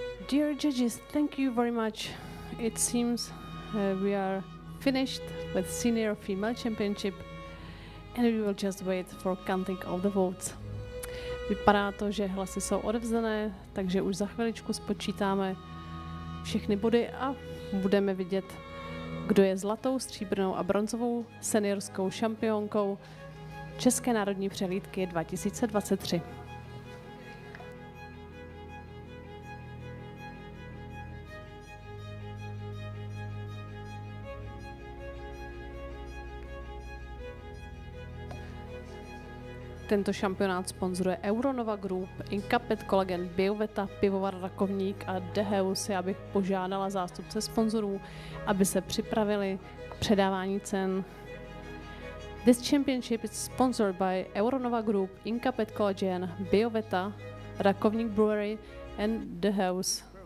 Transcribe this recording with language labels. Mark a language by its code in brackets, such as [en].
[en] Dear judges, thank you very much. It seems we are finished with Senior Female Championship and we will just wait for counting of the votes. [cs] Vypadá to, že hlasy jsou odevzdané, takže už za chviličku spočítáme všechny body a budeme vidět, kdo je zlatou, stříbrnou a bronzovou seniorskou šampionkou České národní přehlídky 2023. Tento šampionát sponzoruje Euronova Group, Incapet Collagen, Bioveta, Pivovar Rakovník a Deheus. Já bych požádala zástupce sponzorů, aby se připravili k předávání cen. [en] This championship is sponsored by Euronova Group, Incapet Collagen, Bioveta, Rakovník Brewery and Deheus.